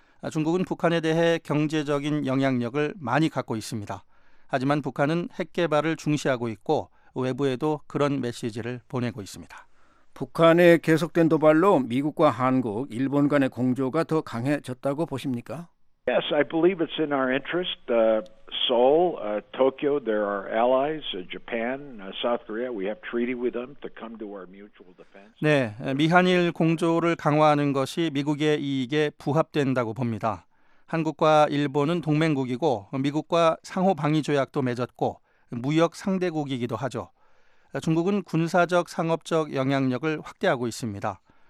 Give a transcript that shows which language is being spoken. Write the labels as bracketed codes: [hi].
[ko] 중국은 북한에 대해 경제적인 영향력을 많이 갖고 있습니다. 하지만 북한은 핵 개발을 중시하고 있고 외부에도 그런 메시지를 보내고 있습니다. 북한의 계속된 도발로 미국과 한국, 일본 간의 공조가 더 강해졌다고 보십니까? [en] Yes, I believe it's in our interest. Seoul, Tokyo, there are allies, Japan, South Korea. We have treaty with them to come to our mutual defense. [ko] 네, 미한일 공조를 강화하는 것이 미국의 이익에 부합된다고 봅니다. 한국과 일본은 동맹국이고 미국과 상호 방위 조약도 맺었고 무역 상대국이기도 하죠. 중국은 군사적, 상업적 영향력을 확대하고 있습니다.